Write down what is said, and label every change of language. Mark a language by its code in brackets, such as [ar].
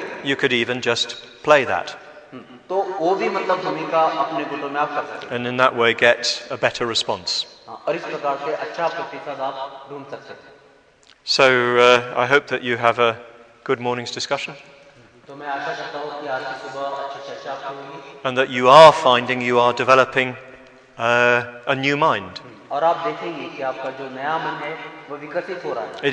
[en] You could even just play that. [hi] तो वो भी मतलब भूमिका अपने गुटों में आप कर सकते हैं. [en] And in that way get a better response. [hi] और इस प्रकार से अच्छा प्रतिसाद आप ढूंढ सकते हैं. [en] So I hope that you have a good morning's discussion. [hi] तो मैं आशा करता हूँ कि आज की सुबह अच्छी चर्चा होगी. [en] And that you are finding you are developing a new mind. [hi] और आप देखेंगे कि आपका जो नया मन है वो विकसित हो रहा है.